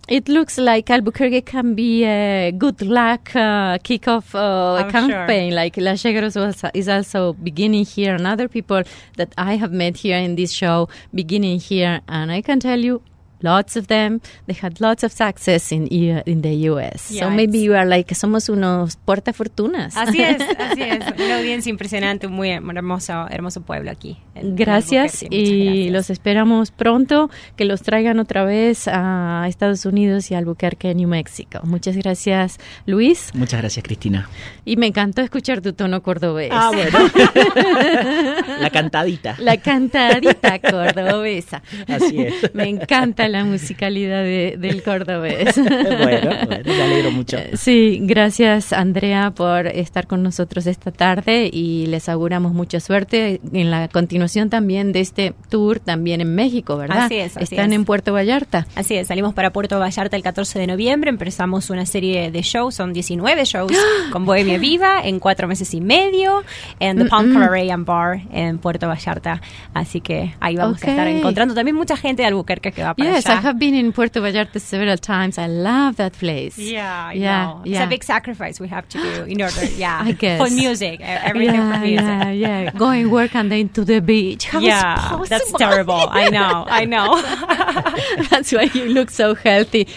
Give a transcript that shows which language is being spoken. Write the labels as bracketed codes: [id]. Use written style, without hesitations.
[en] It looks like Albuquerque can be a good luck kickoff campaign. Sure. Like La Chegros is also beginning here, and other people that I have met here in this show beginning here. And I can tell you, lots of them, they had lots of success in the U.S. Yeah, so maybe you are like, [es] somos unos portafortunas. Así es, así es. Una audiencia impresionante, muy hermoso pueblo aquí. Gracias, y gracias. Los esperamos pronto, que los traigan otra vez a Estados Unidos y a Albuquerque, New Mexico. Muchas gracias, Luis. Muchas gracias, Cristina. Y me encantó escuchar tu tono cordobés. Ah, bueno. La cantadita. La cantadita cordobesa. Así es. Me encanta. la musicalidad del cordobés. Bueno, me alegro mucho. Sí, gracias Andrea por estar con nosotros esta tarde y les auguramos mucha suerte en la continuación también de este tour también en México, ¿verdad? Así es, así Están en Puerto Vallarta. Así es, salimos para Puerto Vallarta el 14 de noviembre, empezamos una serie de shows, son 19 shows con Bohemia Viva en 4 meses y medio en The Palm Cabaret and Bar en Puerto Vallarta. Así que ahí vamos a estar encontrando también mucha gente de Albuquerque que va para allá. [en] Yes, I have been in Puerto Vallarta several times. I love that place. Yeah, yeah. It's a big sacrifice we have to do in order, I guess. For music, everything for music. Yeah, yeah, yeah. Going work and then to the beach. How yeah, that's terrible. I know. That's why you look so healthy.